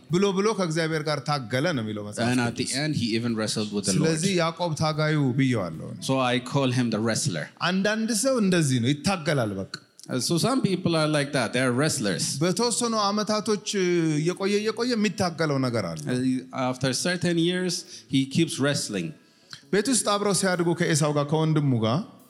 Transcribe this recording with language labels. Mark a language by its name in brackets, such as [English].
[Amharic] ብሎ ብሎ ከእግዚአብሔር ጋር ታገለ ነው የሚለው መጽሐፍ [English] And at the end he even wrestled with the Lord. [Amharic] ስለዚህ ያዕቆብ ታጋዩ ብየዋለሁ [English] So I call him the wrestler. [Amharic] አንዳንድ ሰው እንደዚህ ነው ይታገላል በቃ [English] So some people are like that. They are wrestlers. [Amharic] በተወሰኑ አመታቶች የቆየ የሚታገለው ነገር አለ. [English] After certain years he keeps wrestling. [Amharic] ቤት ውስጥ አብረው ሲያድጉ ከኤሳው ጋር ከወንድሙ ጋር